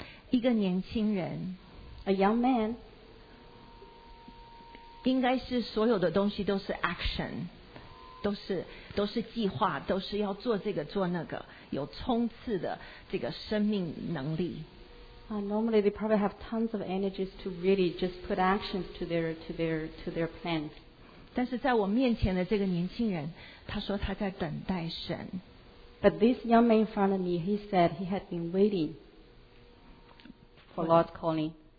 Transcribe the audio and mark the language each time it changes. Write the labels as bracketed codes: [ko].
[zh] 一个年轻人。 [en] A young man. [zh] 应该是所有的东西都是 action， 都是计划，都是要做这个做那个，有冲刺的这个生命能力。 [en] Normally they probably have tons of energies to really just put action to their plan. [zh] 但是在我面前的这个年轻人，他说他在等待神。 [en] But this young man in front of me, he said he had been waiting for Lord's calling.